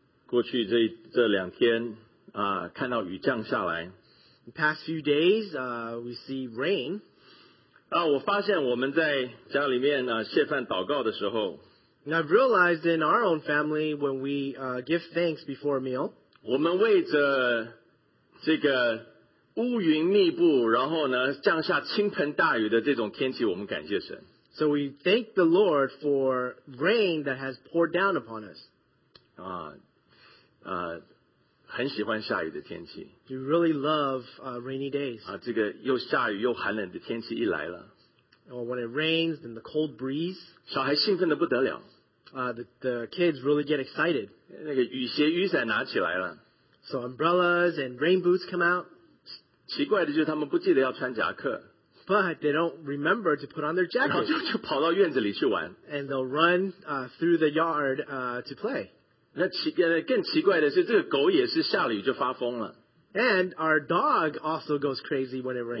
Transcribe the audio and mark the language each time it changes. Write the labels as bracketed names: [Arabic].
[Chinese] 过去 这两天、看到雨降下来。 [English] The past few days, we see rain. [Chinese] 我发现我们在家里面、谢饭祷告的时候。 [English] And I've realized in our own family when we、give thanks before a meal. [Chinese] 我们为着这个乌云密布，然后呢降下倾盆大雨的这种天气，我们感谢神。 [English] So we thank the Lord for rain that has poured down upon us. [Chinese] 很喜欢下雨的天气。 [English] We really love rainy days. [Chinese] 这个又下雨又寒冷的天气一来了。 [English] When it rains, then the cold breeze. [Chinese] 小孩兴奋得不得了。 [English] The kids really get excited. [Chinese] 那个雨鞋雨伞拿起来了。 [English] So umbrellas and rain boots come out. [Chinese] 奇怪的就是他们不记得要穿夹克。 [English] But they don't remember to put on their jacket. [Chinese] 然后 就跑到院子里去玩。 [English] And they'll run through the yard to play. [Chinese] 那更奇怪的是，这个狗也是下了雨就发疯了。 [English] And our dog also goes crazy when it rains.